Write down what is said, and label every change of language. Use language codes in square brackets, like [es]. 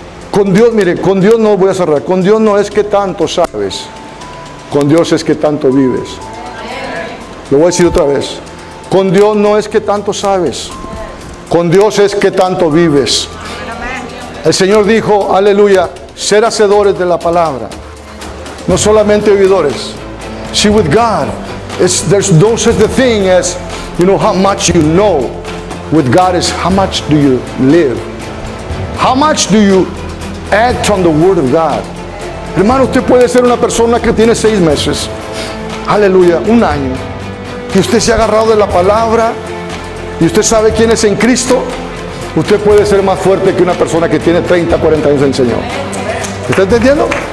[es] Con Dios, mire, con Dios no, voy a cerrar, con Dios no es que tanto sabes, con Dios es que tanto vives. Lo voy a decir otra vez. Con Dios no es que tanto sabes, con Dios es que tanto vives. El Señor dijo, aleluya, ser hacedores de la palabra, no solamente oidores. [en] See, with God, there's no such a thing as, you know, how much you know. With God is how much do you live. How much do you act on the word of God. [es] Hermano, usted puede ser una persona que tiene 6 meses, aleluya, un año, y usted se ha agarrado de la palabra, y usted sabe quién es en Cristo. Usted puede ser más fuerte que una persona que tiene 30, 40 años en el Señor. ¿Está entendiendo?